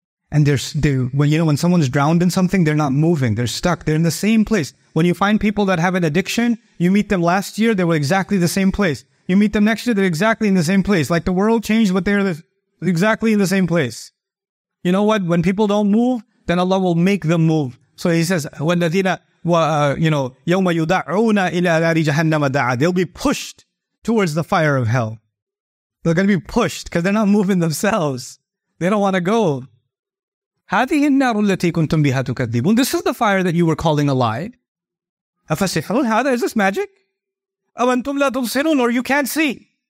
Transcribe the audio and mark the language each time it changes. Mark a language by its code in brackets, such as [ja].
[en] And when someone's drowned in something, they're not moving. They're stuck. They're in the same place. When you find people that have an addiction, you meet them last year, they were exactly the same place. You meet them next year, they're exactly in the same place. Like the world changed, but they're exactly in the same place. You know what? When people don't move, then Allah will make them move. So He says, [ar] "الَّذِينَ يَوْمَ يُدَعُونَ إِلَىٰ نَارِ جَهَنَّمَ دَعَىٰ." [en] They'll be pushed towards the fire of hell. They're going to be pushed because they're not moving themselves. They don't want to go. [ar] هَذِهِ النَّارُ الَّتِي كُنْتُمْ بِهَا تُكَذِّبُونَ. [en] This is the fire that you were calling a lie. [ar] أَفَسِحْرٌ هَذَا. [en] Is this magic? [ar] أَوَنْتُمْ لَا تُبْصِرُونَ. [en] Or you can't see.